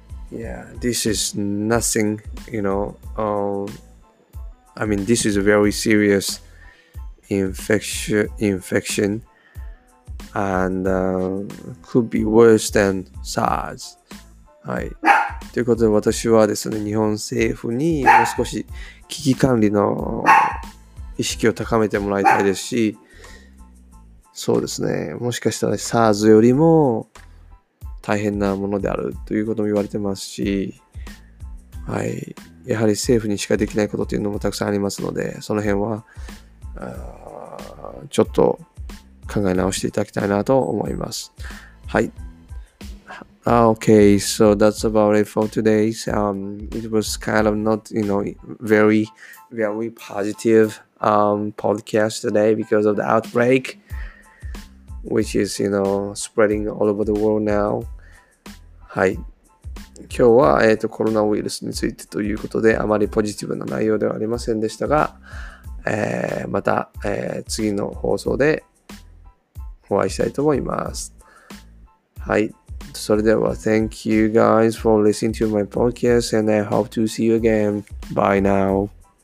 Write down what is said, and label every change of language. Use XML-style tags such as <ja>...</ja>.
<en>Yeah, this is nothing, you know. I mean, this is a very serious infection, and could be worse than SARS.</en> <ja>はい。ということで、私はですね、日本政府にもう少し危機管理の意識を高めてもらいたいですし、そうですね、もしかしたら SARS よりも大変なものであるということも言われてますし、はい、やはり政府にしかできないことというのもたくさんありますので、その辺はちょっと考え直していただきたいなと思います。</ja> <en>はい、 Okay, so that's about it for today. It was kind of not, you know, very very positive podcast today because of the outbreak which is, you know, spreading all over the world now.</en> <ja>はい、今日は、コロナウイルスについてということで、あまりポジティブな内容ではありませんでしたが、また、次の放送でお会いしたいと思います。はい。</ja> <en>それでは、Thank you guys for listening to my podcast and I hope to see you again. Bye now.</en>